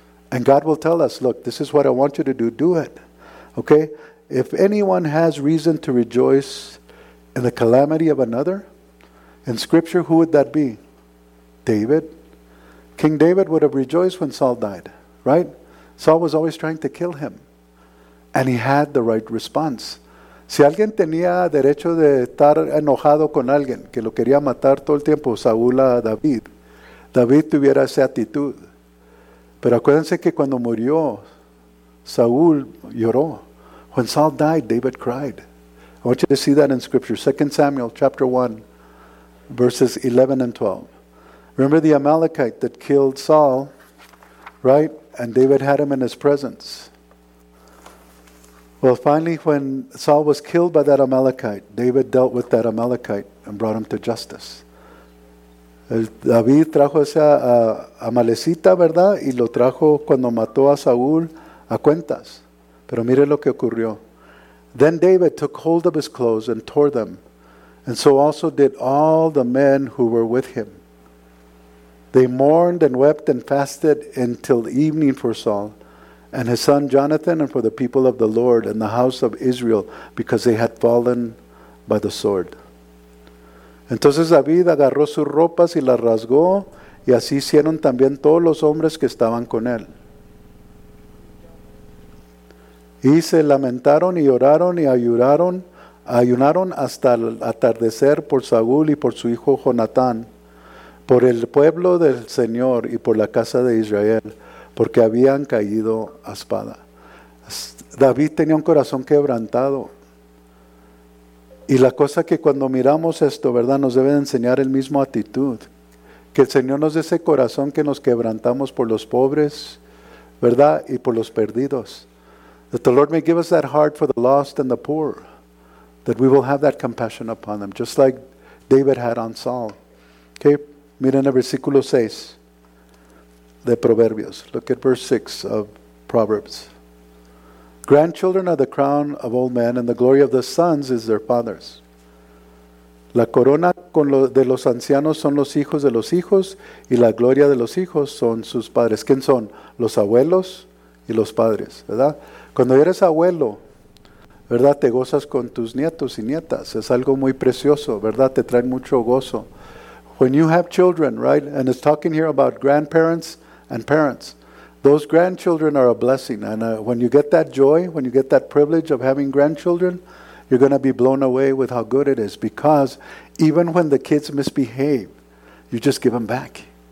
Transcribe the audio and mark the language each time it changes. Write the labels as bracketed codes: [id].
[en] And God will tell us, look, this is what I want you to do. Do it. Okay? If anyone has reason to rejoice in the calamity of another, in Scripture, who would that be? David. King David would have rejoiced when Saul died, right? Saul was always trying to kill him. And he had the right response. [es] Si alguien tenía derecho de estar enojado con alguien que lo quería matar todo el tiempo, Saúl a David, David tuviera esa actitud. Pero acuérdense que cuando murió, Saúl lloró. [en] When Saul died, David cried. I want you to see that in Scripture. 2 Samuel chapter 1, verses 11 and 12. Remember the Amalekite that killed Saul, right? And David had him in his presence. Well, finally, when Saul was killed by that Amalekite, David dealt with that Amalekite and brought him to justice. [es] David trajo ese amalecita, ¿verdad? Y lo trajo cuando mató a Saúl a cuentas. Pero mire lo que ocurrió. [en] Then David took hold of his clothes and tore them. And so also did all the men who were with him. They mourned and wept and fasted until evening for Saul and his son Jonathan and for the people of the Lord and the house of Israel because they had fallen by the sword. [es] Entonces David agarró sus ropas y las rasgó y así hicieron también todos los hombres que estaban con él. Y se lamentaron y lloraron y ayunaron hasta el atardecer por Saúl y por su hijo Jonatán, por el pueblo del Señor y por la casa de Israel, porque habían caído a espada. David tenía un corazón quebrantado. Y la cosa que cuando miramos esto, ¿verdad?, nos debe enseñar el mismo actitud. Que el Señor nos dé ese corazón que nos quebrantamos por los pobres, ¿verdad?, y por los perdidos. [en] That the Lord may give us that heart for the lost and the poor. That we will have that compassion upon them, just like David had on Saul. [es] Okay, miren el versículo 6 de Proverbios. [en] Look at verse 6 of Proverbs. Grandchildren are the crown of old men, and the glory of the sons is their fathers. [es] La corona de los ancianos son los hijos de los hijos, y la gloria de los hijos son sus padres. ¿Quién son? Los abuelos y los padres, ¿verdad? Cuando eres abuelo, ¿verdad?, te gozas con tus nietos y nietas. Es algo muy precioso, ¿verdad? Te traen mucho gozo. [en] When you have children, right? And it's talking here about grandparents and parents. Those grandchildren are a blessing. And when you get that joy, when you get that privilege of having grandchildren, you're going to be blown away with how good it is, because even when the kids misbehave, you just give them back.